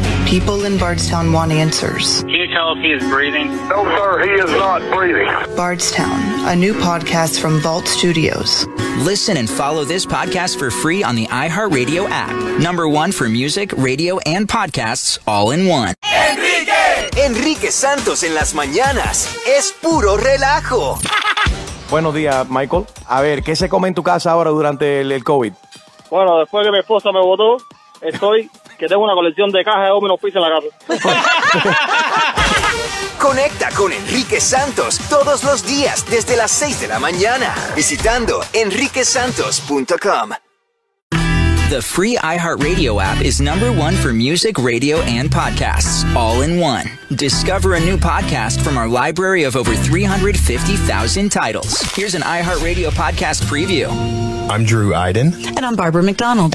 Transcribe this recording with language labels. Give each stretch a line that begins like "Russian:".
English: People in Bardstown want answers. Can you tell if he is breathing? No, sir, he is not breathing. Bardstown, a new podcast from Vault Studios. Listen and follow this podcast for free on the iHeartRadio app. Number one for music, radio, and podcasts all in one.
Spanish: Enrique! Enrique Santos en las mañanas es puro relajo. Buenos días, Michael. A ver, ¿qué se come en tu casa ahora durante el COVID? Bueno, después que mi esposa me votó, estoy... que tengo una colección de cajas de Home Office en la casa. Conecta con Enrique Santos todos los días desde las 6 de la mañana visitando enriquesantos.com.
English: The free iHeartRadio app is number one for music, radio, and podcasts, all in one. Discover a new podcast from our library of over 350,000 titles. Here's an iHeartRadio podcast preview. I'm Drew Iden. And I'm Barbara McDonald.